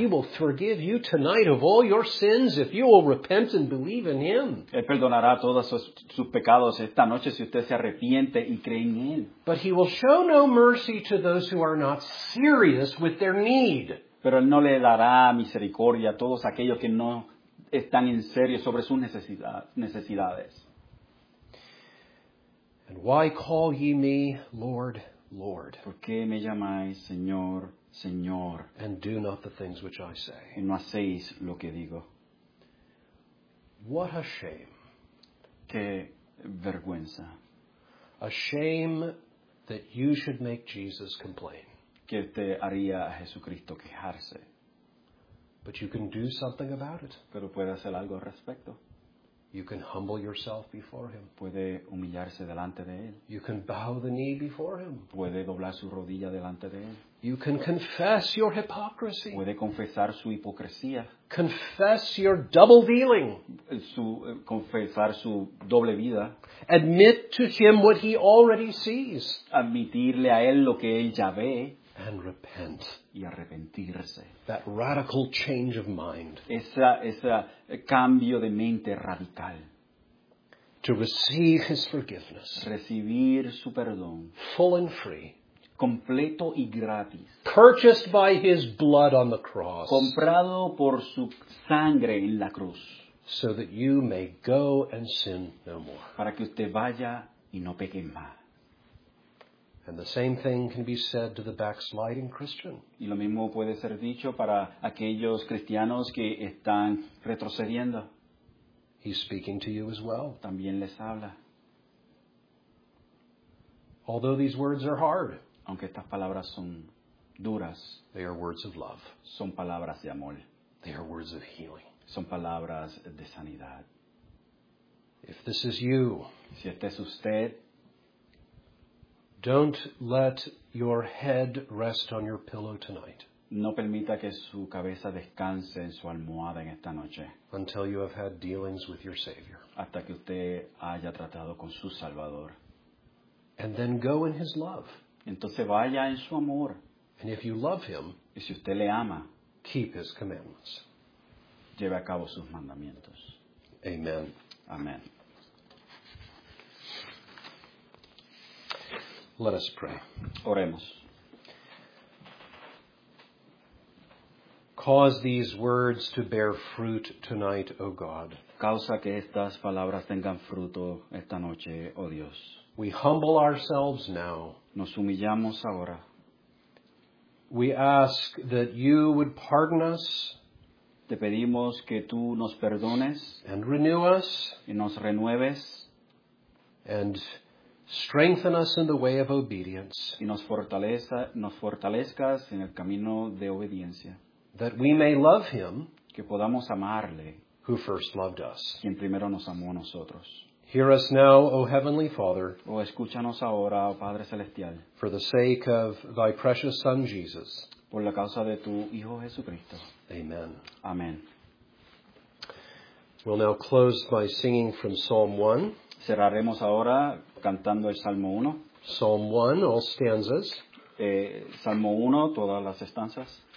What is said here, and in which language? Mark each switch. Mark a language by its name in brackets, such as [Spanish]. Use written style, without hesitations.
[English] He will forgive you tonight of all your sins if you will repent and believe in him. [Spanish] Él perdonará todos sus pecados esta noche si usted se arrepiente y cree en él. [English] But he will show no mercy to those who are not serious with their need. [Spanish] Pero él no le dará misericordia a todos aquellos que no están en serio sobre sus necesidades. [English] And why call ye me Lord, Lord? [Spanish] ¿Por qué me llamáis Señor, Señor? [English] And do not the things which I say. [Spanish] Y no hacéis lo que digo. [English] What a shame. [Spanish] Qué vergüenza. [English] A shame that you should make Jesus complain. [Spanish] Que te haría a Jesucristo quejarse. [English] But you can do something about it. [Spanish] Pero puede hacer algo al respecto. [English] You can humble yourself before him. [Spanish] Puede humillarse delante de él. [English] You can bow the knee before him. [Spanish] Puede doblar su rodilla delante de él. [English] You can confess your hypocrisy. [Spanish] Puede confesar su hipocresía. [English] Confess your double dealing. [Spanish] Confesar su doble vida. [English] Admit to him what he already sees. [Spanish] Admitirle a él lo que él ya ve. [English] And repent. [Spanish] Y arrepentirse. [English] That radical change of mind. [Spanish] Ese cambio de mente radical. [English] To receive his forgiveness. [Spanish] Recibir su perdón. [English] Full and free. [Spanish] Completo y gratis. [English] Purchased by his blood on the cross. [Spanish] Comprado por su sangre en la cruz. [English] So that you may go and sin no more. [Spanish] Para que usted vaya y no peque más. [English] And the same thing can be said to the backsliding Christian. [Spanish] Y lo mismo puede ser dicho para aquellos cristianos que están retrocediendo. [English] He's speaking to you as well. [Spanish] También les habla. [English] Although these words are hard. [Spanish] Aunque estas palabras son duras. [English] They are words of love. [Spanish] Son palabras de amor. [English] They are words of healing. [Spanish] Son palabras de sanidad. [English] If this is you. [Spanish] Si este es usted. [English] Don't let your head rest on your pillow tonight. [Spanish] No permita que su cabeza descanse en su almohada en esta noche. [English] Until you have had dealings with your Savior. [Spanish] Hasta que usted haya tratado con su Salvador. [English] And then go in his love. [Spanish] Entonces vaya en su amor. [English] And if you love him, [Spanish] y si usted le ama, [English] keep his commandments. [Spanish] Lleve a cabo sus mandamientos. [English] Amen. [Spanish] Amen. [English] Let us pray. [Spanish] Oremos. [English] Cause these words to bear fruit tonight, O God. [Spanish] Causa que estas palabras tengan fruto esta noche, oh Dios. [English] We humble ourselves now. [Spanish] Nos humillamos ahora. [English] We ask that you would pardon us. [Spanish] Te pedimos que tú nos perdones. [English] And renew us. [Spanish] Y nos renueves. [English] And strengthen us in the way of obedience. [Spanish] Y nos fortalezcas en el camino de obediencia. [English] That we may love him. [Spanish] Que podamos amarle. [English] Who first loved us. [Spanish] Quien primero nos amó a nosotros. [English] Hear us now, O Heavenly Father. [Spanish] O escúchanos ahora, oh Padre Celestial. [English] For the sake of thy precious Son, Jesus. [Spanish] Por la causa de tu Hijo Jesucristo. [English] Amen. [Spanish] Amen. [English] We'll now close by singing from Psalm 1. [Spanish] Cerraremos ahora cantando el Salmo 1. [English] Psalm 1, all stanzas. [Spanish] Salmo 1, todas las estanzas.